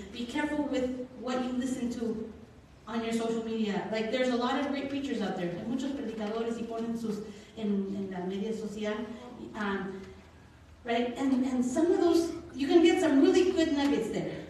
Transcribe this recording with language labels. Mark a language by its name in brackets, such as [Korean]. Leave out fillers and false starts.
[English] Be careful with what you listen to on your social media. Like, there's a lot of great preachers out there. [Spanish] Hay muchos predicadores y ponen sus en la media social. [English] Right? And some of those, you can get some really good nuggets there.